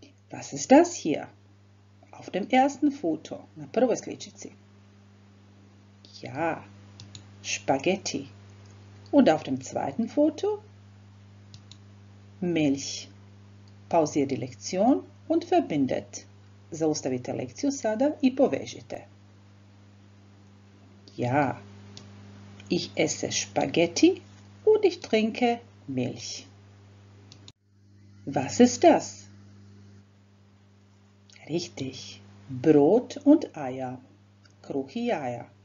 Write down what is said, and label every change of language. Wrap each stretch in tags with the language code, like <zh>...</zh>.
<de>Was ist das hier? Auf dem ersten Foto,</de> <hr>na prvoj sličici.</hr> <de>Ja. Spaghetti. Und auf dem zweiten Foto? Milch. Pausiert die Lektion und verbindet.</de> <hr>Zaustavite lekciju sada i povežite.</hr> <de>Ja, ich esse Spaghetti und ich trinke Milch. Was ist das? Richtig, Brot und Eier.</de> <hr>Kruh i jaja.</hr>